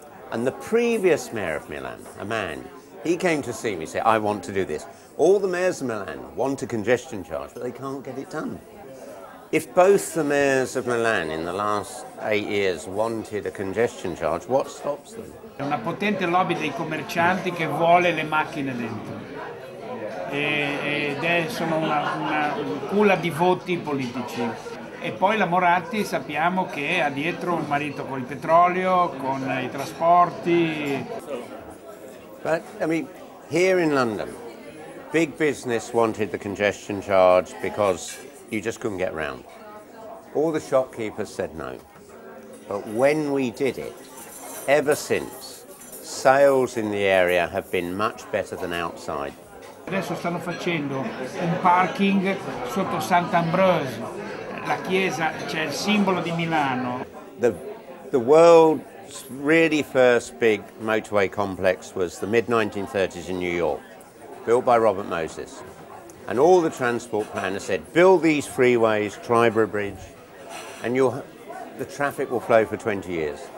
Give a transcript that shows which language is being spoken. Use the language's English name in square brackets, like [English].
[English] And the previous mayor of Milan, a man, he came to see me and said, I want to do this. All the mayors of Milan want a congestion charge, but they can't get it done. If both the mayors of Milan in the last 8 years wanted a congestion charge, what stops them? [Italian] È una potente lobby dei commercianti che vuole le macchine dentro. Ed è sono una culla di voti politici. E poi la Moratti sappiamo che ha dietro un marito con il petrolio, con i trasporti. [English] But, I mean, here in London, big business wanted the congestion charge because you just couldn't get around. All the shopkeepers said no. But when we did it, ever since, sales in the area have been much better than outside. [Italian] Adesso stanno facendo un parking sotto Sant'Ambrose, la chiesa, cioè il simbolo di Milano. [English] The world... The really first big motorway complex was the mid-1930s in New York, built by Robert Moses. And all the transport planners said, build these freeways, Triborough Bridge, and the traffic will flow for 20 years.